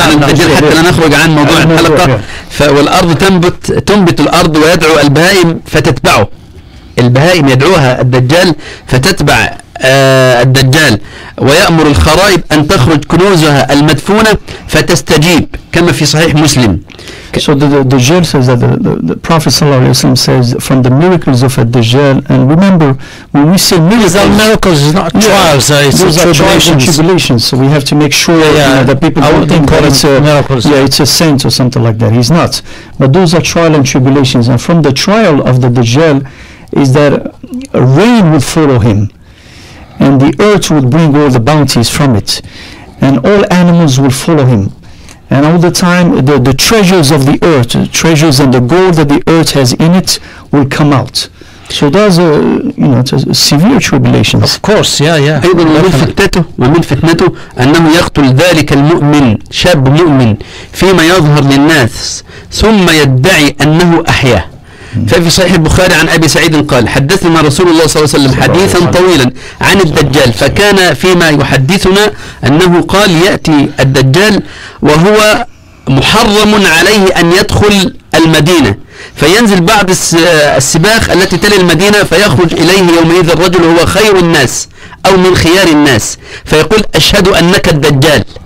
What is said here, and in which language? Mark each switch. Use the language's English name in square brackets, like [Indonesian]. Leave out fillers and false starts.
[Arabic] الدجال حتى لا نخرج عن موضوع الحلقه. والارض تنبت الارض ويدعو البهائم فتتبعه. البهائم يدعوها الدجال فتتبع الدجال، ويامر الخرائب ان تخرج كنوزها المدفونه فتستجيب كما في صحيح مسلم. [English] So the Dajjal says that the Prophet sallallahu alaihi wasallam says from the miracles of a Dajjal, and remember when we say miracles is not trials, tribulations. So we have to make sure that people don't think it's a miracle. Yeah, it's a saint or something like that. He's not. But those are trial and tribulations, and from the trial of the Dajjal is that rain will follow him, and the earth will bring all the bounties from it, and all animals will follow him. And all the time, the treasures of the earth, the treasures and the gold that the earth has in it, will come out. So there's a, you know, it's a severe tribulation. Of course, yeah. [Arabic] أيضا من فتنته أنه يقتل ذلك المؤمن شاب مؤمن فيما يظهر للناس ثم يدعي أنه أحيا. ففي صحيح البخاري عن أبي سعيد قال حدثنا رسول الله صلى الله عليه وسلم حديثا طويلا عن الدجال فكان فيما يحدثنا أنه قال يأتي الدجال وهو محرم عليه أن يدخل المدينة فينزل بعض السباخ التي تلي المدينة فيخرج إليه يومئذ الرجل هو خير الناس أو من خيار الناس فيقول أشهد أنك الدجال